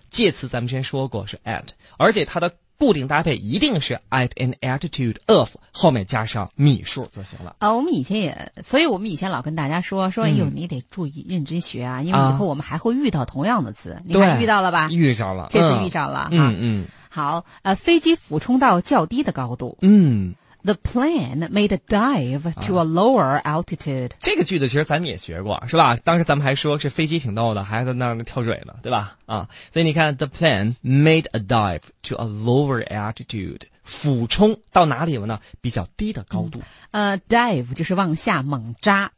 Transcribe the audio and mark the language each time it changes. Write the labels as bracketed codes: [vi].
[zh] 介词咱们之前说过是 at, 而且它的固定搭配一定是 [en] at an altitude of [zh] 后面加上米数就行了。啊，我们以前也，所以我们以前老跟大家说，哎呦，你得注意认真学啊，因为以后我们还会遇到同样的词。啊、你看遇到了吧？遇着了，这次遇着了。嗯、啊、嗯。好，飞机俯冲到较低的高度。嗯。 [en] The plane made a dive to a lower altitude、 [zh] 啊。这个句子其实咱们也学过，是吧？当时咱们还说是飞机挺逗的，还在那跳水呢，对吧？啊，所以你看 ， [en] the plane made a dive to a lower altitude， [zh] 俯冲到哪里了呢？比较低的高度。 dive 就是往下猛扎。